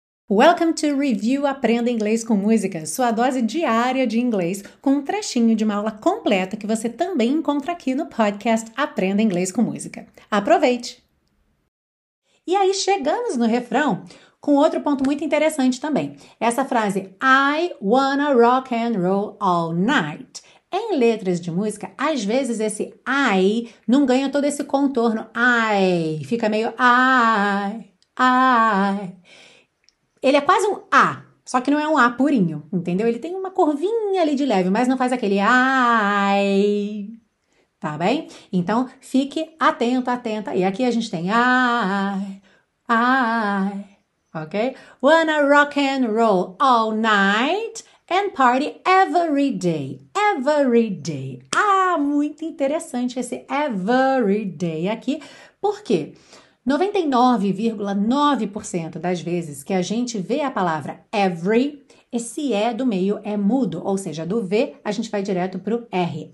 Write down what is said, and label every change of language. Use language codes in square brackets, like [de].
[pt] Welcome to Review Aprenda Inglês com Música, sua dose diária de inglês, com um trechinho de uma aula completa que você também encontra aqui no podcast Aprenda Inglês com Música. Aproveite! E aí, chegamos no refrão com outro ponto muito interessante também. Essa frase, [en] I wanna rock and roll all night. [pt] Em letras de música, às vezes esse I não ganha todo esse contorno. I, fica meio I, I. Ele é quase um A, só que não é um A purinho, entendeu? Ele tem uma curvinha ali de leve, mas não faz aquele I, tá bem? Então, fique atento, atenta. E aqui a gente tem I, I, ok? [en] Wanna rock and roll all night and party every day. Every day. [pt] Ah, muito interessante esse every day aqui. Por quê? 99,9% das vezes que a gente vê a palavra every, esse E do meio é mudo, ou seja, do V a gente vai direto para o R.